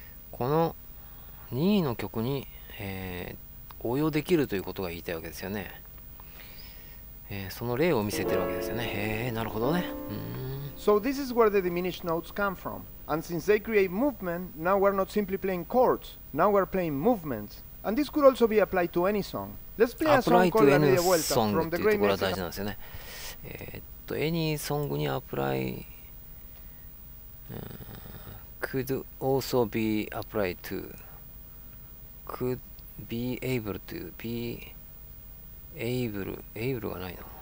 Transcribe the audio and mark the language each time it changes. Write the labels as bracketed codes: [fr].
[ja] この2位の曲に、応用できるということが言いたいわけですよね。その例を見せてるわけですよね。なるほどね。 [en] So this is where the diminished notes come from. And since they create movement, now we're not simply playing chords. Now we're playing movements. And this could also be applied to any song. Let's play a song called La Media Vuelta from the great Mexican. [ja] これは大事なんですよね。 [en] Any song [ja] にアプライ、 [en] could also be applied to, could be able to, be able, able [ja] がないの。